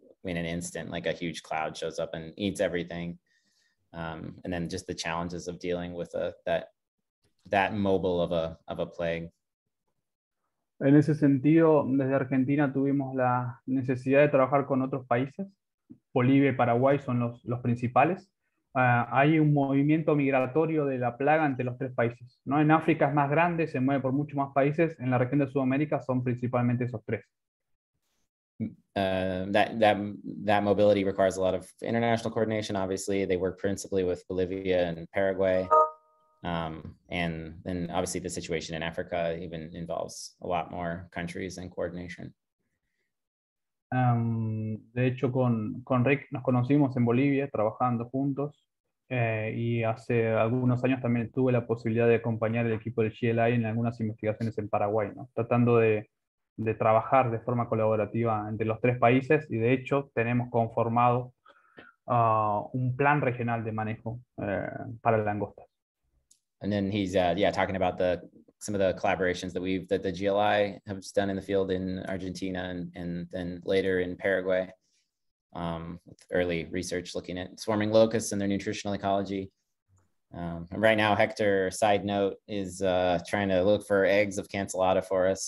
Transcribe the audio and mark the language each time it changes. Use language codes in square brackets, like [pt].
[en] in an instant, like a huge cloud shows up and eats everything. And then just the challenges of dealing with that mobile of a plague. [es] En ese sentido, desde Argentina tuvimos la necesidad de trabajar con otros países. Bolivia y Paraguay son los principales. Hay un movimiento migratorio de la plaga entre los tres países, ¿no? En África es más grande, se mueve por muchos más países. En la región de Sudamérica son principalmente esos tres. [en] That mobility requires a lot of international coordination, obviously. They work principally with Bolivia and Paraguay. And obviously the situation in Africa even involves a lot more countries and coordination. [es] De hecho, con Rick nos conocimos en Bolivia trabajando juntos, y hace algunos años también tuve la posibilidad de acompañar el equipo del GLI en algunas investigaciones en Paraguay, ¿no? Tratando de trabajar de forma colaborativa entre los tres países, y de hecho tenemos conformado un plan regional de manejo para langostas. [en] And then he's talking about some of the collaborations that the GLI have done in the field in Argentina and then later in Paraguay, with early research looking at swarming locusts and their nutritional ecology. And right now, Hector, side note, is trying to look for eggs of cancellata for us.